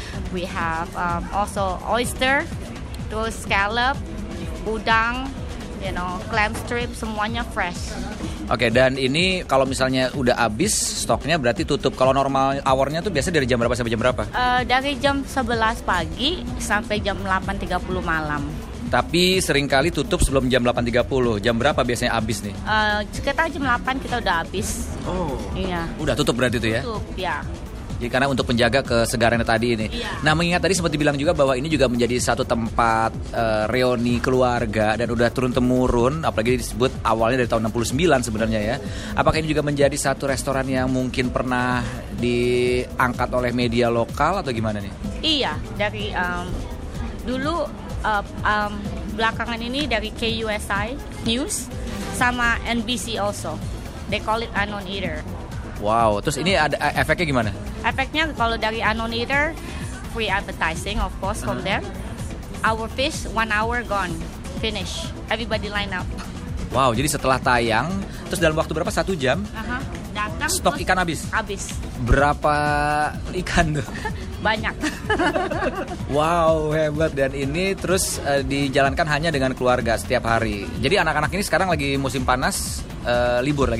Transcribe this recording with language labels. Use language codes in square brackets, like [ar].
[en] We have also oyster, terus scallop, udang, you know, clam strip, [id] semuanya fresh. Oke, dan ini kalau misalnya udah habis stoknya berarti tutup. Kalau normal hour-nya tuh biasanya dari jam berapa sampai jam berapa? Dari jam 11 pagi sampai jam 8.30 malam. Tapi seringkali tutup sebelum jam 8.30. Jam berapa biasanya habis nih? Sekitar jam 8 kita udah habis. Oh. Iya. Udah tutup berarti tuh ya? Tutup, ya. Jadi karena untuk menjaga kesegarannya tadi ini. Iya. Nah, mengingat tadi sempat dibilang juga bahwa ini juga menjadi satu tempat reuni keluarga dan udah turun-temurun, apalagi disebut awalnya dari tahun 69 sebenarnya ya. Apakah ini juga menjadi satu restoran yang mungkin pernah diangkat oleh media lokal atau gimana nih? Iya, dari dulu belakangan ini dari KUSI News sama NBC also. [en] They call it Unknown Eater. [id] Wow, terus ini ada efeknya gimana? Efeknya kalau dari [en] Unknown Eater, free advertising of course from them. Our fish, 1 hour gone, finish. Everybody line up. [id] Wow, jadi setelah tayang, terus dalam waktu berapa? 1 jam? Datang, stok ikan habis? Habis. Berapa ikan tuh? Banyak. Wow, hebat. Dan ini terus dijalankan hanya dengan keluarga setiap hari. Jadi anak-anak ini sekarang lagi musim panas, libur ya?